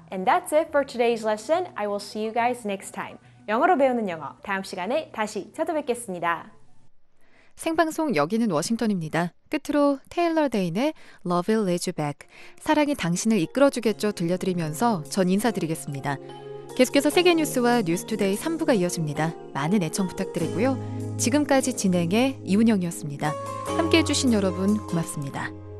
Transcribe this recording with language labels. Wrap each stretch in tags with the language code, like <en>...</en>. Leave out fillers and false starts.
<en>And that's it for today's lesson. I will see you guys next time.</en> <ko>영어로 배우는 영어. 다음 시간에 다시 찾아뵙겠습니다. 생방송 여기는 워싱턴입니다. 끝으로 테일러 데인의 Love Will Lead You Back. 사랑이 당신을 이끌어주겠죠 들려드리면서 전 인사드리겠습니다. 계속해서 세계 뉴스와 뉴스 투데이 3부가 이어집니다. 많은 애청 부탁드리고요. 지금까지 진행해 이문영이었습니다. 함께해 주신 여러분 고맙습니다.</ko>